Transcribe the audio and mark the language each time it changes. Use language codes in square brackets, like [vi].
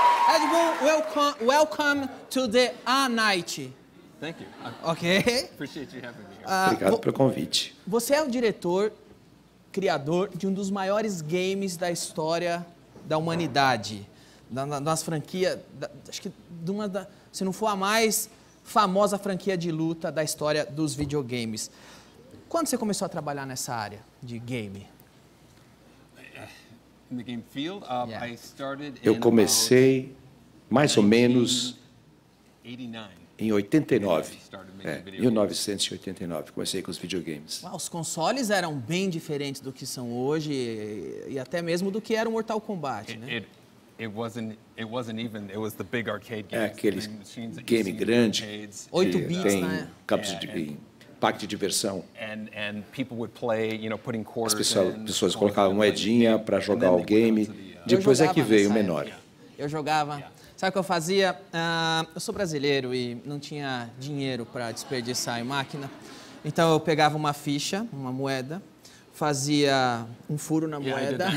[en] Ed Boon, welcome to the A-Night. Thank you. Ok. Appreciate you having me here. [pt] Obrigado pelo convite. Você é o diretor, criador de um dos maiores games da história da humanidade. Nas franquias, acho que de uma da, se não for a mais famosa franquia de luta da história dos videogames. Quando você começou a trabalhar nessa área de game? [en] In the game field, I started [pt] in, eu comecei mais ou menos em 89, 1989, comecei com os videogames. Uau, os consoles eram bem diferentes do que são hoje e até mesmo do que era o Mortal Kombat, né? [en] It wasn't even the big arcade games. [pt] É aquele game grande, 8 bits, tem né? Cabos de parque de diversão. [en] And people would play, you know, putting quarters [pt] pessoas colocavam moedinha para jogar o game. Depois é que veio o menor. Eu jogava. Sabe o que eu fazia? Eu sou brasileiro e não tinha dinheiro para desperdiçar em máquina. Então eu pegava uma ficha, uma moeda, fazia um furo na moeda.